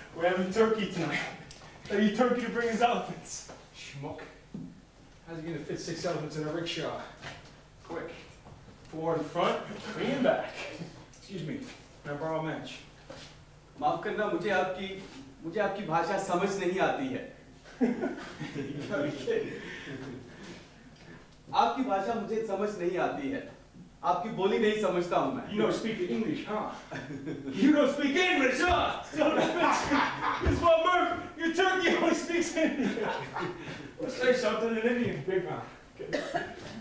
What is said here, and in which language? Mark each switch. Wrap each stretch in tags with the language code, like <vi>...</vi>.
<en>We're having turkey tonight. Are you turkey to bring his elephants? Schmuck. How's he gonna fit six elephants in a rickshaw? Quick. Four in front, three in back. Excuse me. Can I borrow a match?</en> <hi>माफ करना मुझे आपकी भाषा समझ नहीं आती है. आपकी भाषा मुझे समझ नहीं आती है. आपकी बोली नहीं समझता हूँ मैं.</hi> <en>You don't speak English, huh? You don't speak English, huh? It's my Murph. Your turkey only speaks Indian. Say something in Indian, big man.</en>